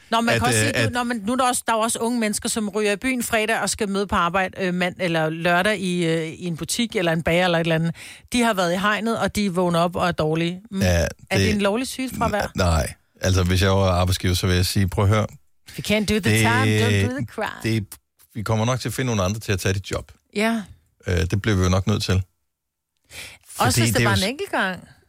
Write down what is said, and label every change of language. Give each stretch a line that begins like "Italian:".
Danish: Nå, man nu er der også unge mennesker, som ryger i byen fredag og skal møde på arbejde mand eller lørdag i en butik eller en bager eller et eller andet. De har været i hegnet, og de vågner op og er dårlige. Ja, er det en lovlig syg fra hver? Nej. Altså, hvis jeg var arbejdsgiver, så vil jeg sige, prøv at høre.
English: We can't do the time, don't do the crime.
Danish: Vi kommer nok til at finde nogle andre til at tage dit job. Ja. Det bliver vi jo nok nødt til. Fordi også hvis det var en enkelt gang.